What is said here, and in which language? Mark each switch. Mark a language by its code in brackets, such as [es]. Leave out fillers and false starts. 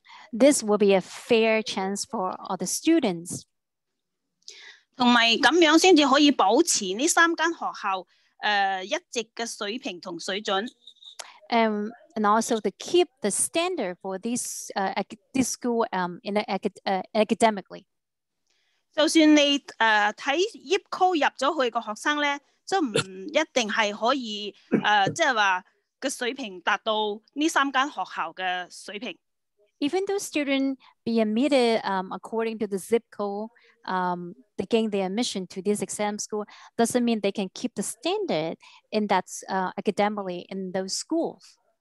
[en] This will be a fair chance for all the students. [yue] 同埋咁样先至可以保持呢三间学校 一直的水平和水準. [en] And also to keep the standard for this school in the academically. [yue] 就算你 看YIPCO入了去的学生呢, 就不一定是可以, 就是说水平达到这三间学校的水平. [en] Even though students be admitted according to the zip code, they gain their admission to this exam school, doesn't mean they can keep the standard in that academically in those schools.